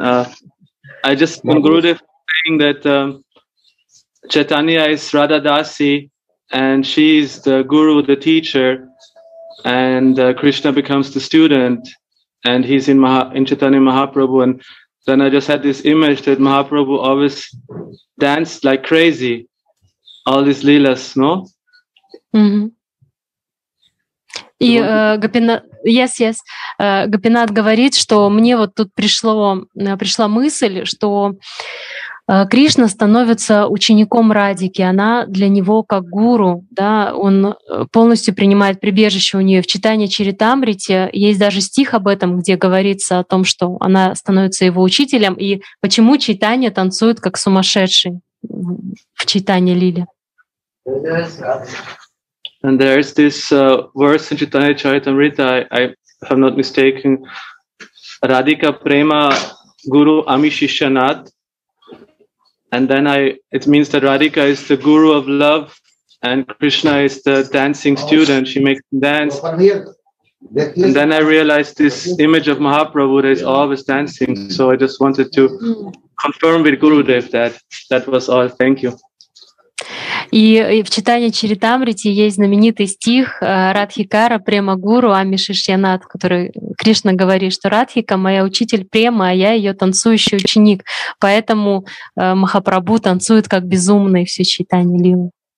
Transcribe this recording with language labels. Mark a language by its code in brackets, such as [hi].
[en] I just, when Gurudev saying that Chaitanya is Radha Dasi and she is the guru, the teacher, and Krishna becomes the student, and he's in Chaitanya Mahaprabhu. And then I just had this image that Mahaprabhu always danced like crazy, all these leelas, no? Mm-hmm. [ru] И Гопинат говорит, что мне вот тут пришла мысль, что Кришна становится учеником Радики, она для него как гуру, да, он полностью принимает прибежище у нее в читании Чаритамрите. Есть даже стих об этом, где говорится о том, что она становится его учителем, и почему Чайтанья танцует как сумасшедший в читании лили. [en] And there is this verse in Chaitanya Charitamrita, if I'm not mistaken, [bn] Radhika Prema Guru Ami Shishyanath. [en] And then it means that Radhika is the guru of love and Krishna is the dancing student. She makes him dance. And then I realized this image of Mahaprabhu that is always dancing. So I just wanted to confirm with Gurudev that was all. Thank you. [ru] И в читании Чаритамрити есть знаменитый стих [bn] Радхикара Према Гуру Ами Шишьянат, [ru] который Кришна говорит, что Радхика — моя учитель Према, а я ее танцующий ученик. Поэтому Махапрабху танцует как безумный все читание лилы.